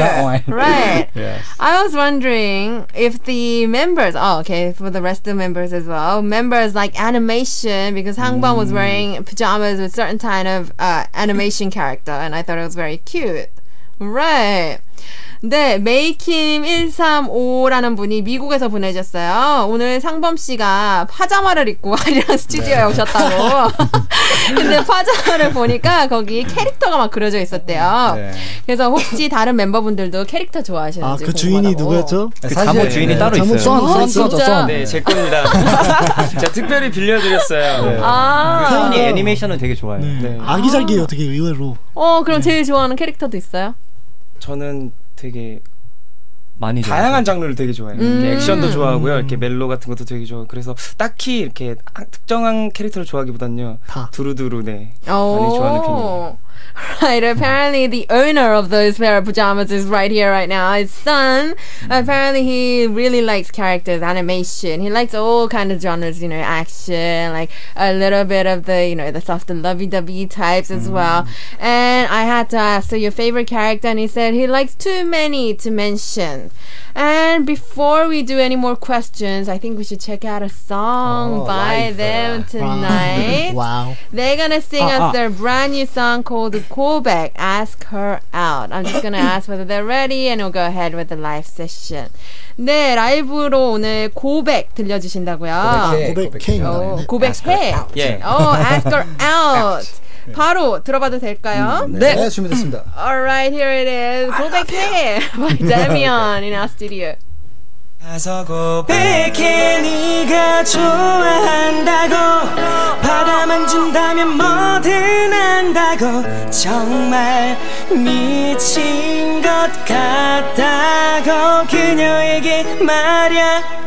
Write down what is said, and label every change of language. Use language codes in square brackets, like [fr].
[en] . Right. Yes. I was wondering if the members, for the rest of the members as well, members like animation, because Sangbum was wearing pajamas with certain kind of animation character, and I thought it was very cute. Right. [ko] 네, 메이킴135라는 분이 미국에서 보내셨어요. 오늘 상범씨가 파자마를 입고 아리랑 스튜디오에 네. 오셨다고. 근데 파자마를 보니까 거기 캐릭터가 막 그려져 있었대요. 네. 그래서 혹시 다른 멤버분들도 캐릭터 좋아하시는지 그 주인이 누구였죠? 사실 잠옷 주인이 네. 따로 잠옷 있어요. 잠옷 써, 써, 써. 네, 제 겁니다. 제가 특별히 빌려드렸어요. 네. 아. 태훈이 애니메이션을 되게 좋아해요. 네. 네. 아기자기예요, 되게 의외로. 그럼 네. 제일 좋아하는 캐릭터도 있어요? 저는 되게 많이 다양한 좋아하죠. 장르를 되게 좋아해요. 액션도 좋아하고요. 이렇게 멜로 같은 것도 되게 좋아하고. 그래서 딱히 이렇게 특정한 캐릭터를 좋아하기보다는요. 다. 두루두루 네. 많이 좋아하는 편이에요. [en] Right. Apparently the owner of those pair of pajamas is right here right now. His son. Apparently he really likes characters, animation. He likes all kinds of genres, you know, action, like a little bit of the, you know, the soft and lovey-dovey types as well. And I had to ask, so your favorite character? And he said he likes too many to mention. And before we do any more questions, I think we should check out a song by life. Them tonight. Wow. They're going to sing us their brand new song called Callback, Ask Her Out. I'm just going to ask whether they're ready and we'll go ahead with the live session. [ko] 네, 라이브로 오늘 고백 들려주신다고요. 고백해. 고백해. Oh, Ask Her Out. 바로 들어봐도 될까요? 네, 네 준비됐습니다. [en] Alright, here it is. Go back here by Demion in our studio. [ko] 가서 고백해 네가 좋아한다고 바람만 준다면 뭐든 한다고 정말 미친 것 같다고 그녀에게 말야